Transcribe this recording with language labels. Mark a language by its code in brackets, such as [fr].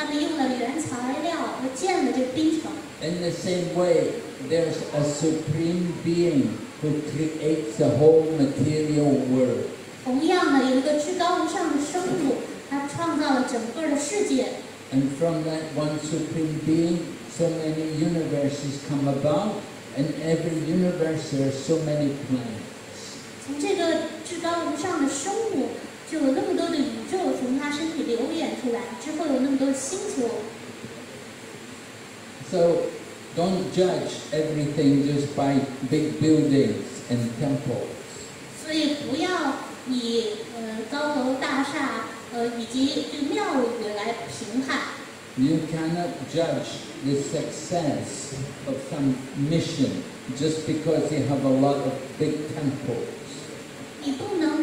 [zh] 不是，一定是有智慧的人，他们用了原材料和建了这个槟城。 [en] In the same way, there's a supreme being who creates the whole material world. [zh] 同样的，有一个至高无上的生物，他创造了整个的世界。 [en] And from that one supreme being, so many universes come about, and every universe there are so many planets. [zh] 从这个至高无上的生物，就有那么多的宇宙从他身体流演出来，之后有那么多的星球。 [en] So, don't judge everything just by big buildings and temples. [zh] 所以不要以高楼大厦，以及对庙宇来评判。 [en] You cannot judge the success of some mission just because they have a lot of big temples.